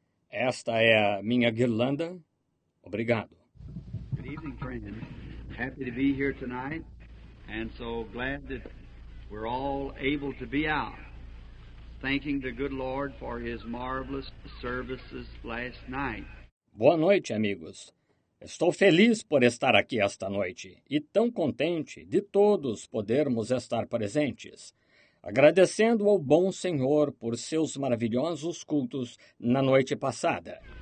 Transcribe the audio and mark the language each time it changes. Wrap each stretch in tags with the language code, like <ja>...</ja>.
<pt>Esta é a minha guirlanda. Obrigado.</pt> <en>Good evening, friends. Happy to be here tonight, and so glad that we're all able to be out, thanking the good Lord for His marvelous services last night.</en> <pt>Boa noite, amigos. Estou feliz por estar aqui esta noite e tão contente de todos podermos estar presentes, agradecendo ao bom Senhor por seus maravilhosos cultos na noite passada.</pt>